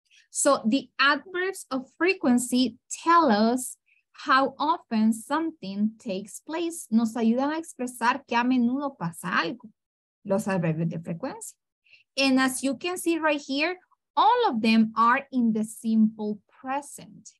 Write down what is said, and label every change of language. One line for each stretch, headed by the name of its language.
English: So the adverbs of frequency tell us how often something takes place.
Spanish: Nos ayudan a expresar que a menudo pasa algo. Los adverbios de frecuencia.
English: And as you can see right here, all of them are in the simple present.